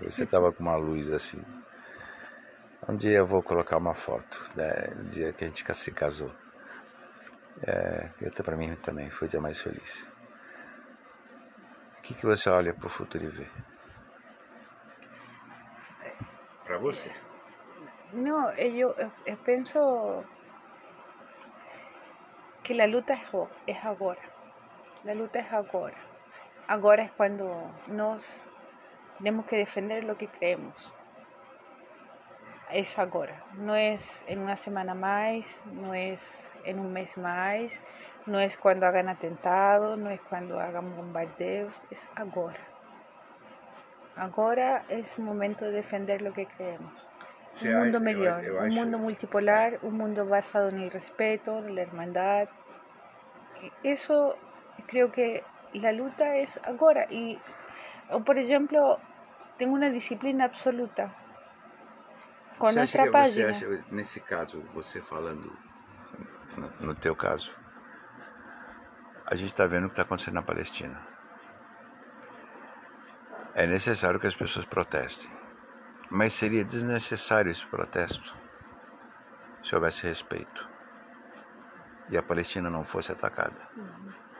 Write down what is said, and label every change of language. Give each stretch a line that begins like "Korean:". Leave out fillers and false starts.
Portuguese: Você estava com uma luz assim. Um dia eu vou colocar uma foto, né? Do dia que a gente se casou. Até para mim também foi o dia mais feliz. O que, que você olha para o futuro e vê? Para você.
Spanish: No, yo pienso que la lucha es ahora. La lucha es ahora. Ahora es cuando nos tenemos que defender lo que creemos. Es ahora. No es en una semana más, no es en un mes más, no es cuando hagan atentado, no es cuando hagan bombardeos, es ahora.
Portuguese: Agora é o momento de defender o que creemos.
Spanish: Sí,
Portuguese: um mundo melhor, um mundo multipolar, um mundo basado no respeito, na hermandade. Isso, creio que a luta é agora. E, por exemplo,
Spanish: Tengo una disciplina absoluta. Con otra página. Acha, en ese caso,
Portuguese: você falando, no teu caso, a gente está vendo o que está acontecendo na Palestina. É necessário que as pessoas protestem. Mas seria desnecessário esse protesto se houvesse respeito e a Palestina não fosse atacada. Uhum.